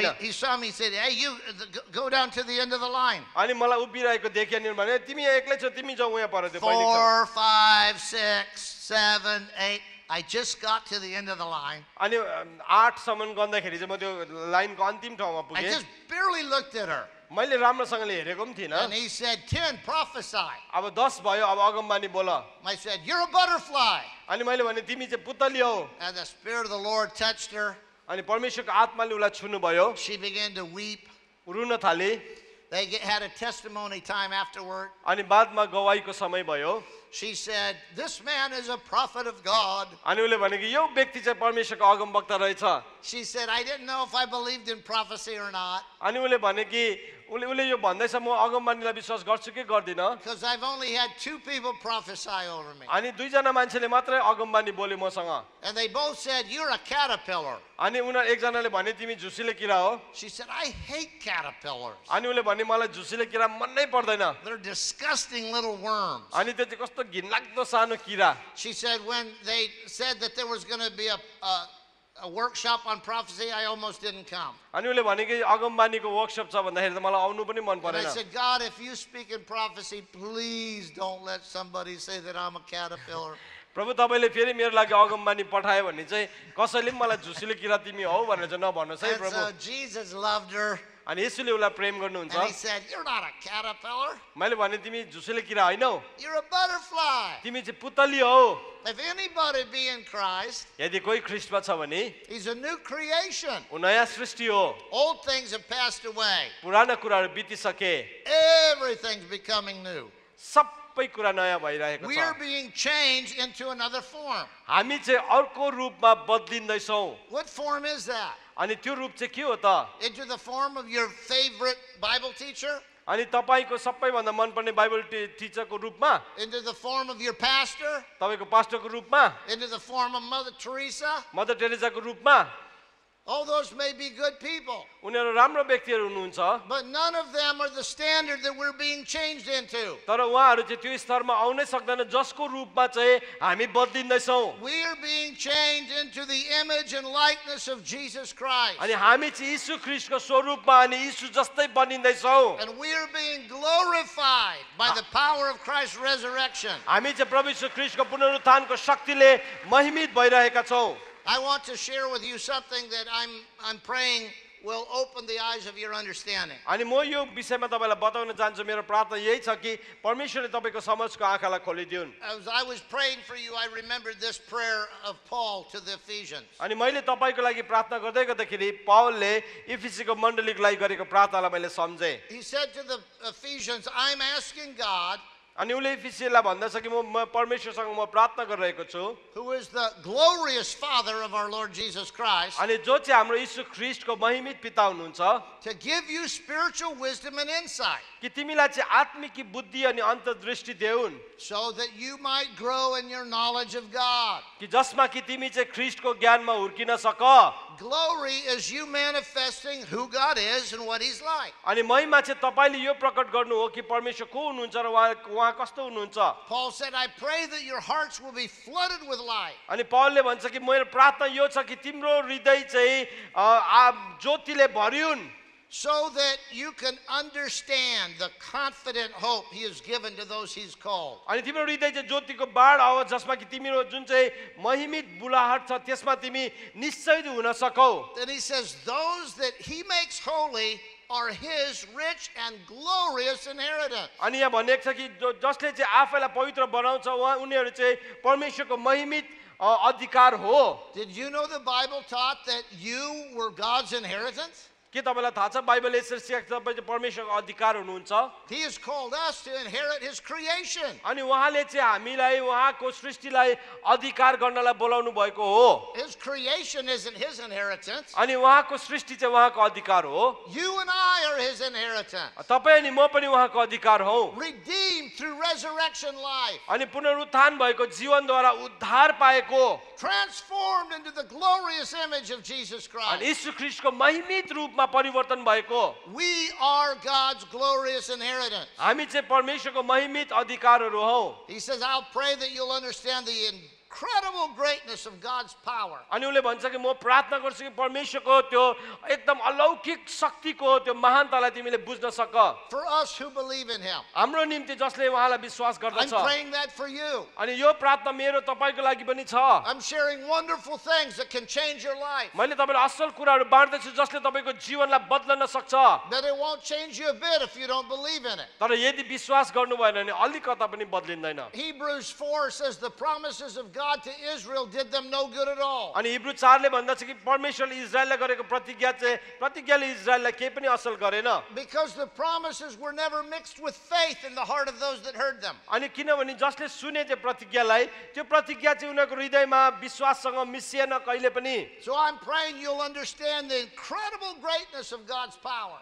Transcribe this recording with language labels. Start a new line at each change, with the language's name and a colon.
English: So he saw me, said hey you go down to the end of the line.
Nepali: अनि मलाई उभिरहेको देखे अनि भने तिमी एक्लै छौ तिमी जाऊ यहाँ पर त्यो बहिनी.
English: 4 5 6 7 8 I just got to the end of the line.
Nepali: अनि 8 सम्म गन्दाखेरि चाहिँ म त्यो लाइनको अन्तिम ठाउँमा पुगे.
English: I just barely looked at her.
Nepali: मैले राम्रोसँगले हेरेको पनि थिइन.
English: And he said, 10, prophesy.
Nepali: अब 10 भयो अब अगमवाणी बोल.
English: I said, you're a butterfly.
Nepali: अनि मैले भने तिमी चाहिँ पुतली हो.
English: And the spirit of the Lord touched her.
Nepali: अनि परमेश्वरको आत्माले उलाई छुनु भयो.
English: She began to weep.
Nepali: रुन थाले.
English: They had a testimony time afterward.
Nepali: अनि बादमा गवाहीको समय भयो.
English: She said, this man is a prophet of God. She said, I didn't know if I believed in prophecy or not. Because I've only had 2 people prophesy over me. And they both said, you're a caterpillar. She said, I hate caterpillars. They're disgusting little worms. She said, when they said that there was going to be a workshop on prophecy, I almost didn't come. And I said, God, if you speak in prophecy, please don't let somebody say that I'm a caterpillar.
Nepali: प्रभु तपाईले फेरि मेरो लागि अगमवाणी पठायो भने चाहिँ कसैले पनि मलाई झुसिलो किरा तिमी हौ भनेर चाहिँ नभन्नुस् है प्रभु.
English: So Jesus loved her.
Nepali: अनि यीशुले उलाई प्रेम गर्नुहुन्छ.
English: And he said, you're not a caterpillar.
Nepali: मैले भने तिमी झुसिलो किरा हैनौ.
English: You're a butterfly.
Nepali: तिमी चाहिँ पुतली हौ.
English: If anybody be in Christ,
Nepali: यदि कोही ख्रीष्टमा छ भने,
English: he's a new creation.
Nepali: ऊ नयाँ सृष्टि हो.
English: Old things have passed away.
Nepali: पुरानो कुराहरू बितिसके.
English: Everything's becoming new.
Nepali: सब पै कुरा नया भइरहेको छ.
English: We are being changed into another form.
Nepali: हामी चाहिँ अर्को रूपमा बदलिँदै छौ.
English: What form is that?
Nepali: अनि त्यो रूप चाहिँ के हो त?
English: Into the form of your favorite Bible teacher?
Nepali: अनि तपाईको सबैभन्दा मन पर्ने बाइबल टीचरको रूपमा?
English: Into the form of your pastor?
Nepali: तपाईको पास्टरको रूपमा?
English: Into the form of Mother Teresa?
Nepali: Mother टेरेसाको रूपमा?
English: All those may be good people.
Nepali: उनीहरु राम्रो व्यक्तिहरु हुनुहुन्छ.
English: But none of them are the standard that we're being changed into.
Nepali: तर उहाँहरु चाहिँ त्यो स्तरमा आउनै सक्दैन जसको रूपमा चाहिँ हामी बदलिँदै छौं.
English: We are being changed into the image and likeness of Jesus Christ.
Nepali: अनि हामी चाहिँ येशु ख्रीष्टको स्वरूपमा अनि येशु जस्तै बनिँदै छौं.
English: And we are being glorified by the power of Christ's resurrection.
Nepali: हामी चाहिँ प्रभु येशु ख्रीष्टको पुनरुत्थानको शक्तिले महिमित भइरहेका छौं.
English: I want to share with you something that I'm praying will open the eyes of your understanding.
Nepali: अनि म यो विषयमा तपाईलाई बताउन चाहन्छु मेरो प्रार्थना यही छ कि परमेश्वरले तपाईको समझको आँखालाई खोलिदिउन.
English: As I was praying for you, I remembered this prayer of Paul to the Ephesians.
Nepali: अनि मैले तपाईको लागि प्रार्थना गर्दै गर्दाखेरि पौलले इफिसीको मण्डलीलाई गरेको प्रार्थनालाई मैले समझे.
English: He said to the Ephesians, I'm asking God.
Nepali: अनि उले इफिसीलाई भन्दछ कि म परमेश्वरसँग म प्रार्थना गरिरहेको छु.
English: Who is the glorious father of our Lord Jesus Christ?
Nepali: अनि जो चाहिँ हाम्रो येशू ख्रीष्टको महिमित पिता हुनुहुन्छ.
English: To give you spiritual wisdom and insight.
Nepali: कि तिमीलाई चाहिँ आत्मिक बुद्धि अनि अन्तर्दृष्टि देऊन.
English: So that you might grow in your knowledge of God.
Nepali: कि जसमा कि तिमी चाहिँ ख्रीष्टको ज्ञानमा हुर्किन सक.
English: Glory is you manifesting who God is and what he's like.
Nepali: अनि महिमा चाहिँ तपाईले यो प्रकट गर्नु हो कि परमेश्वर को हुनुहुन्छ र उहाँ कस्तो हुनुहुन्छ.
English: Paul said, I pray that your hearts will be flooded with light.
Nepali: अनि पौलले भन्छ कि मेरो प्रार्थना यो छ कि तिम्रो हृदय चाहिँ ज्योतिले भरिउन.
English: So that you can understand the confident hope he has given to those he's called.
Nepali: अनि तिम्रो हृदय चाहिँ ज्योतिको बाढ आओ जसमा कि तिम्रो जुन चाहिँ महिमित बुलाहट छ त्यसमा तिमी निश्चयित हुन सकौ.
English: Then he says, those that he makes holy are his rich and glorious inheritance.
Nepali: अनि यहाँ भनेको छ कि जसले चाहिँ आफैलाई पवित्र बनाउँछ उहाँ उनीहरु चाहिँ परमेश्वरको महिमित अधिकार हो.
English: Did you know the Bible taught that you were God's inheritance?
Nepali: के तपाईलाई थाहा छ बाइबल यसरी सिकाउँछ तपाई चाहिँ परमेश्वरको अधिकार हुनुहुन्छ.
English: He has called us to inherit his creation.
Nepali: अनि उहाँले चाहिँ हामीलाई उहाँको सृष्टिलाई अधिकार गर्नलाई बोलाउनु भएको हो.
English: His creation is in his inheritance.
Nepali: अनि उहाँको सृष्टि चाहिँ उहाँको अधिकार हो.
English: You and I are his inheritance.
Nepali: तपाई अनि म पनि उहाँको अधिकार हौ.
English: Redeemed through resurrection life.
Nepali: अनि पुनरुत्थान भएको जीवनद्वारा उद्धार पाएको.
English: Transformed into the glorious image of Jesus Christ.
Nepali: अनि येशू ख्रीष्टको महिमित रूप परिवर्तन भएको.
English: We are God's glorious inheritance.
Nepali: हामी चाहिँ परमेश्वरको महिमित अधिकारहरू हौ.
English: He says, I'll pray that you'll understand the incredible greatness of God's power.
Nepali: अनि उले भन्छ कि म प्रार्थना गर्छु कि परमेश्वरको त्यो एकदम अलौकिक शक्तिको त्यो महानतालाई तिमीले बुझ्न सक.
English: For us who believe in him.
Nepali: हाम्रो निम्ति जसले उहाँलाई विश्वास गर्दछ.
English: I'm praying that for you.
Nepali: अनि यो प्रार्थना मेरो तपाईको लागि पनि छ.
English: I'm sharing wonderful things that can change your life.
Nepali: मैले तपाईलाई असल कुराहरू बाँड्दछु जसले तपाईको जीवनलाई बदल्न सक्छ.
English: But it won't change you a bit if you don't believe in it.
Nepali: तर यदि विश्वास गर्नु भएन भने अलिकता पनि बदलिँदैन.
English: Hebrews 4 says the promises of God to Israel did them no good at all.
Nepali: अनि हिब्रू 4 ले भन्दछ कि परमेश्वरले इजरायललाई गरेको प्रतिज्ञा चाहिँ प्रतिज्ञाले इजरायललाई केही पनि असर गरेन.
English: Because the promises were never mixed with faith in the heart of those that heard them.
Nepali: अनि किनभने जसले सुने त्यो प्रतिज्ञालाई त्यो प्रतिज्ञा चाहिँ उनको हृदयमा विश्वाससँग मिसिएन कहिले पनि.
English: So I'm praying you'll understand the incredible greatness of God's power.